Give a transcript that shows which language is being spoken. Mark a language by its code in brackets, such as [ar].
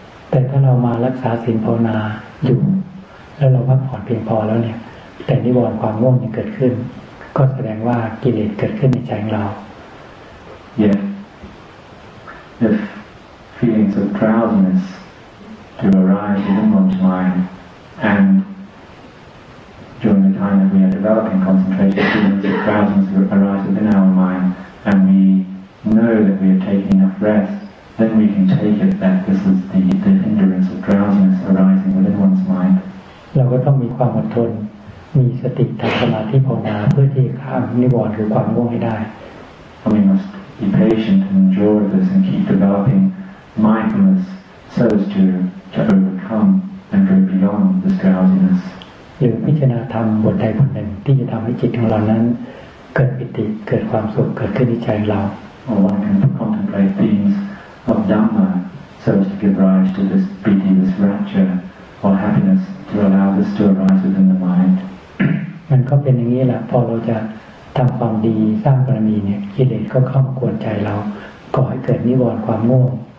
[th] แต่ถ้าเรามารักษาศีลภาวนาอยู่แล้วเราพักผ่อนเพียงพอแล้วเนี่ยแต่นิวรณ์ความง่วงยังเกิดขึ้นก็แสดงว่ากิเลสเกิดขึ้นในใจของเรา [en] Yeah. If feelings of drowsiness do arise within one's mind, and during the time that we are developing concentration, feelings of drowsiness arise within our mind, and we know that we are taking enough rest, then we can take it that this is the hindrance of drowsiness arising within one's mind. [th] เราก็ต้องมีความอดทนมีสติทำสมาธิภาวนาเพื่อที่ข้ามนิวรณ์หรือความง่วงให้ได้ [en] We must. Be patient and endure this and keep developing mindfulness so as to overcome and go beyond this drowsiness. [th] หรือพิจารณาธรรมบทใดบทหนึ่งที่จะทำให้จิตของเรานั้นเกิดปิติเกิดความสุขเกิดขึ้นในใจเรา [en] Or one can contemplate themes of Dhamma so as to give rise to this piti, this rapture or happiness to allow this to arise within the mind. [th] มันก็เป็นอย่างนี้แหละพอเราจะทำความดีสร้างบารมีเนี่ยกิเลสก็เข้ามากวนใจเราก่อให้เกิดนิวรณ์ความง่วง